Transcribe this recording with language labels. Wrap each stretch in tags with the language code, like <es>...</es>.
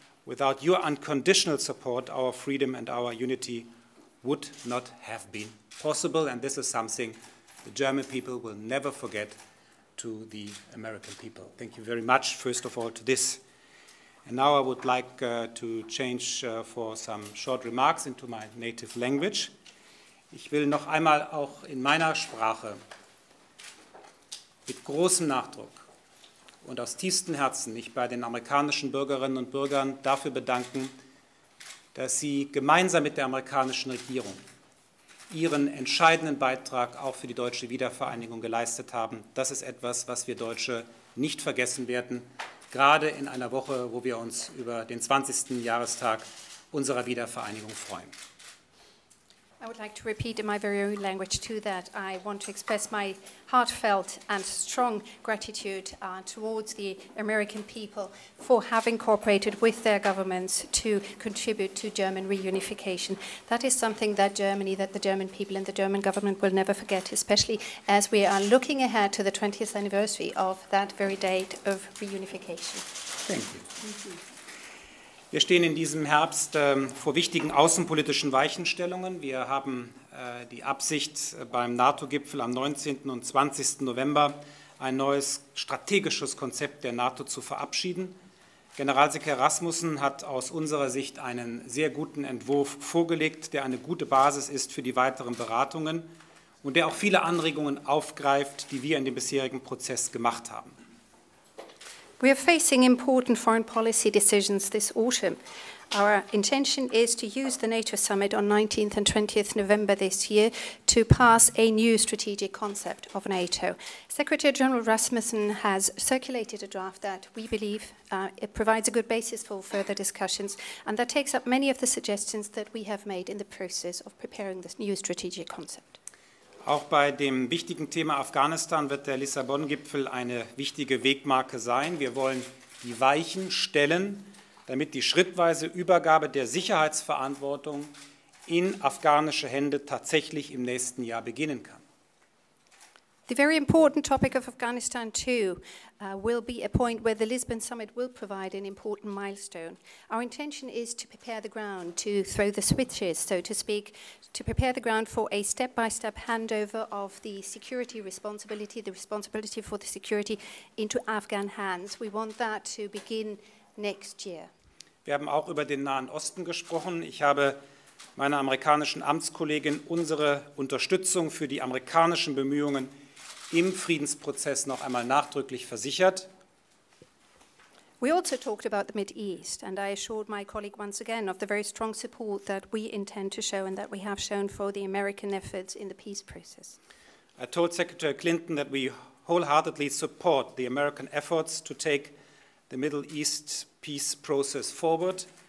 <en>Without your unconditional support, our freedom and our unity would not have been possible, and this is something the German people will never forget to the American people. Thank you very much, first of all, to this. And now I would like to change for some short remarks into my native language.</en> <de>Ich will noch einmal auch in meiner Sprache mit großem Nachdruck und aus tiefstem Herzen mich bei den amerikanischen Bürgerinnen und Bürgern dafür bedanken, dass sie gemeinsam mit der amerikanischen Regierung ihren entscheidenden Beitrag auch für die deutsche Wiedervereinigung geleistet haben. Das ist etwas, was wir Deutsche nicht vergessen werden, gerade in einer Woche, wo wir uns über den 20. Jahrestag unserer Wiedervereinigung freuen.</de> <en>I would like to repeat in my very own language too that I want to express my heartfelt and strong gratitude towards the American people for having cooperated with their governments to contribute to German reunification. That is something that Germany, that the German people and the German government will never forget, especially as we are looking ahead to the 20th anniversary of that very date of reunification. Thank you. Thank you.</en> <de>Wir stehen in diesem Herbst vor wichtigen außenpolitischen Weichenstellungen. Wir haben die Absicht, beim NATO-Gipfel am 19. und 20. November ein neues strategisches Konzept der NATO zu verabschieden. Generalsekretär Rasmussen hat aus unserer Sicht einen sehr guten Entwurf vorgelegt, der eine gute Basis ist für die weiteren Beratungen und der auch viele Anregungen aufgreift, die wir in dem bisherigen Prozess gemacht haben.</de> <en>We are facing important foreign policy decisions this autumn. Our intention is to use the NATO summit on 19th and 20th November this year to pass a new strategic concept of NATO. Secretary General Rasmussen has circulated a draft that we believe it provides a good basis for further discussions, and that takes up many of the suggestions that we have made in the process of preparing this new strategic concept.</en> <de>Auch bei dem wichtigen Thema Afghanistan wird der Lissabon-Gipfel eine wichtige Wegmarke sein. Wir wollen die Weichen stellen, damit die schrittweise Übergabe der Sicherheitsverantwortung in afghanische Hände tatsächlich im nächsten Jahr beginnen kann.</de> <en>The very important topic of Afghanistan too will be a point where the Lisbon summit will provide an important milestone. Our intention is to prepare the ground, to throw the switches, so to speak, to prepare the ground for a step-by-step handover of the security responsibility, the responsibility for the security into Afghan hands. We want that to begin next year.</en> <de>Wir haben auch über den Nahen Osten gesprochen. Ich habe meiner amerikanischen Amtskollegin unsere Unterstützung für die amerikanischen Bemühungen im Friedensprozess noch einmal nachdrücklich versichert.</de> <en>We also talked about the Mideast, and I assured my colleague once again of the very strong support that we intend to show and that we have shown for the American efforts in the peace process. I told Secretary Clinton that we wholeheartedly support the American efforts to take the Middle East peace process forward.</en>